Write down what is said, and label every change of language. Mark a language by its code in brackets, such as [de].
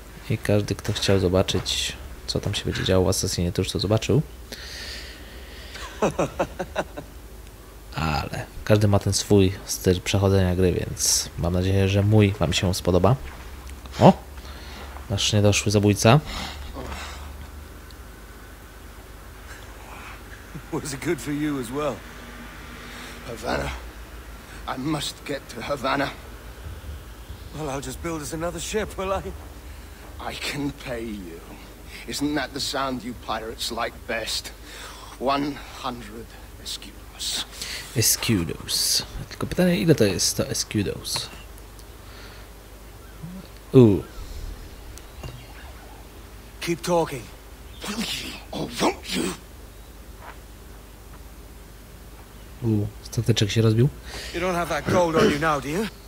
[pl] I każdy, kto chciał zobaczyć, co tam się będzie działo w Assassinie, to już to zobaczył. Ale każdy ma ten swój styl przechodzenia gry, więc mam nadzieję, że mój wam się spodoba. O! Nasz niedoszły zabójca. [en] Was it good for you as well? Havana. I must get to Havana. Well, I'll just build us another ship, will I? I can pay you. Isn't that the sound you pirates like best? 100 escudos. Escudos. [pl] Tylko pytanie, ile to jest to escudos? Ooh. [en] Keep talking. Will you or won't you? [pl] Ooh, stateczek się rozbił. [en] You don't have that gold on you now, do you?